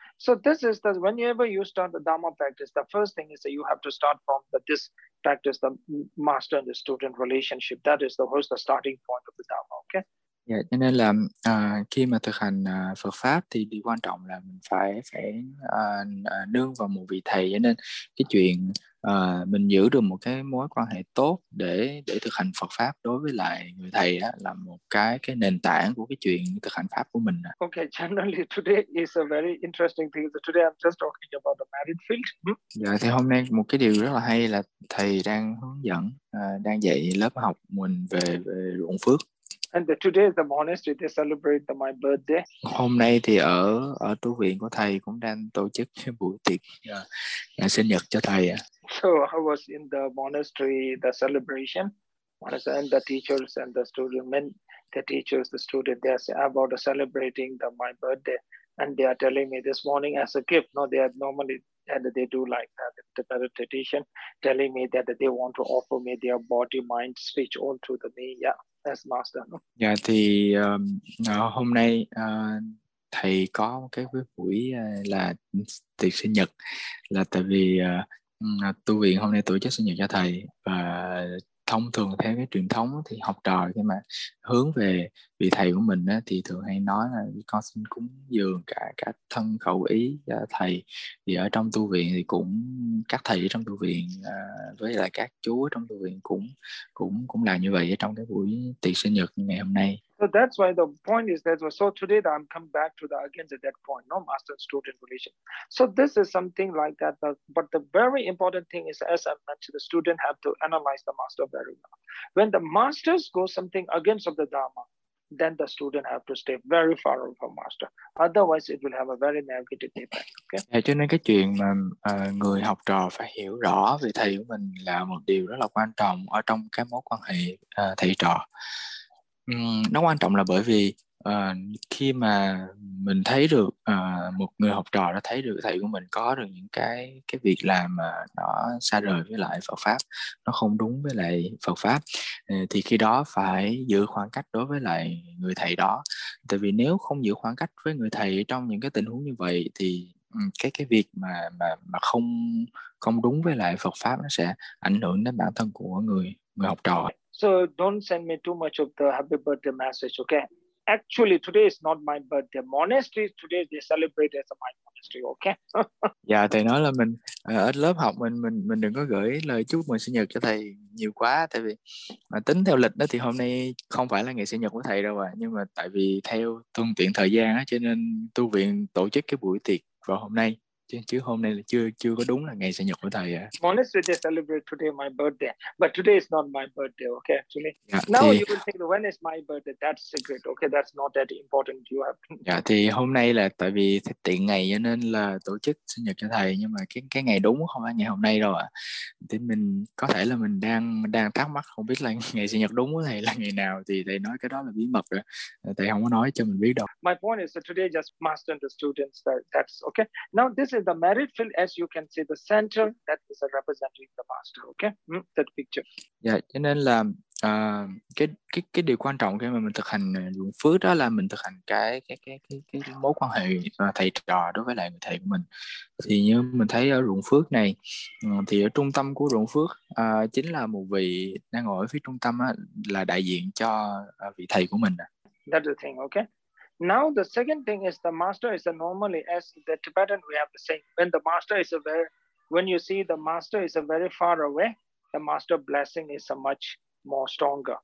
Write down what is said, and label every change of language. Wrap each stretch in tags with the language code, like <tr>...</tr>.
<en>So this is the whenever you start the Dharma practice, the first thing is that you have to start from this practice, the master and the student relationship. That is the starting point of the Dharma, okay?</en> <vi>Dạ, cho nên là khi mà thực hành Phật pháp thì điều quan trọng là mình phải nương vào một vị thầy. Cho nên cái chuyện mình giữ được một cái mối quan hệ tốt để thực hành Phật pháp đối với lại người thầy á, là một cái nền tảng của cái chuyện thực hành pháp của mình.</vi> <en>Okay, generally today is a very interesting thing. So today I'm just talking about the marriage field.</en> <vi>Dạ, thì hôm nay một cái điều rất là hay là thầy đang hướng dẫn, đang dạy lớp học mình về ruộng phước.</vi> <en>And today is the monastery, they celebrate my birthday.</en> <vi>Hôm nay thì ở tu viện của thầy cũng đang tổ chức cái buổi tiệc sinh nhật cho thầy.</vi> <en>So I was in the monastery, the celebration. And the teachers and the student, they are about celebrating my birthday. And they are telling me this morning as a gift. No, they are normally, and they do like that, the meditation, telling me that they want to offer me their body, mind, speech all to me. Yeah.</en> <vi>Dạ thì hôm nay thầy có cái buổi là tiệc sinh nhật, là tại vì tu viện hôm nay tổ chức sinh nhật cho thầy. Và thông thường theo cái truyền thống thì học trò khi mà hướng về vị thầy của mình thì thường hay nói là con xin cúng dường cả thân khẩu ý thầy. Thì ở trong tu viện thì cũng các thầy ở trong tu viện với lại các chú ở trong tu viện cũng làm như vậy trong cái buổi tiệc sinh nhật ngày hôm nay.</vi> <en>So that's why the point is that so today that I'm come back to the again to that point, no master student relation. So this is something like that. But the very important thing is, as I mentioned, the student have to analyze the master very well. When the masters go something against of the Dharma, then the student have to stay very far away from master. Otherwise, it will have a very negative impact. Okay.</en> <vi>Cho nên cái chuyện mà người học trò phải hiểu rõ về thầy của mình là một điều rất là quan trọng ở trong cái mối quan hệ thầy trò. Nó quan trọng là bởi vì Khi mà mình thấy được một người học trò đã thấy được thầy của mình có được những cái việc làm mà nó xa rời với lại Phật pháp, nó không đúng với lại Phật pháp, thì khi đó phải giữ khoảng cách đối với lại người thầy đó. Tại vì nếu không giữ khoảng cách với người thầy trong những cái tình huống như vậy thì cái việc mà không không đúng với lại Phật pháp, nó sẽ ảnh hưởng đến bản thân của người người học trò.</vi> <en>So don't send me too much of the happy birthday message, okay? Actually, today is not my birthday. Monastery, today they celebrate as my</en> <vi>Dạ, thầy nói là mình ở lớp học mình đừng có gửi lời chúc mừng sinh nhật cho thầy nhiều quá, tại vì mà tính theo lịch đó thì hôm nay không phải là ngày sinh nhật của thầy đâu à, nhưng mà tại vì theo thuận tiện thời gian á cho nên tu viện tổ chức cái buổi tiệc vào hôm nay, chứ hôm nay là chưa chưa có đúng là ngày sinh nhật của thầy ạ.</vi> <en>Monastery, they celebrate today my birthday, but today is not my birthday, okay? Actually,</en> <vi>Dạ</vi> <en>now</en> <vi>thì</vi> <en>you will think, when is my birthday? That's secret, okay? That's not that important. You have</en> <vi>Dạ thì hôm nay là tại vì tiện ngày cho nên là tổ chức sinh nhật cho thầy, nhưng mà cái ngày đúng không phải ngày hôm nay đâu ạ. Thì mình có thể là mình đang đang thắc mắc không biết là ngày sinh nhật đúng của thầy là ngày nào, thì thầy nói cái đó là bí mật rồi, thầy không có nói cho mình biết đâu.</vi> <en>My point is that today just master and the students, that's okay. Now this is the merit field, as you can see the center that is representing the master, okay? That picture.</en> <vi>Dạ, cho nên là cái điều quan trọng khi mà mình thực hành dụng phước đó là mình thực hành cái mối quan hệ thầy trò đối với lại người thầy của mình. Thì như mình thấy ở ruộng phước này, thì ở trung tâm của ruộng phước chính là một vị đang ngồi ở phía trung tâm á, là đại diện cho vị thầy của mình.</vi> <en>That's the thing, okay? Now the second thing is the master is a normally, as the Tibetan we have the saying, when the master is a very, when you see the master is a very far away, the master blessing is a much more stronger.</en>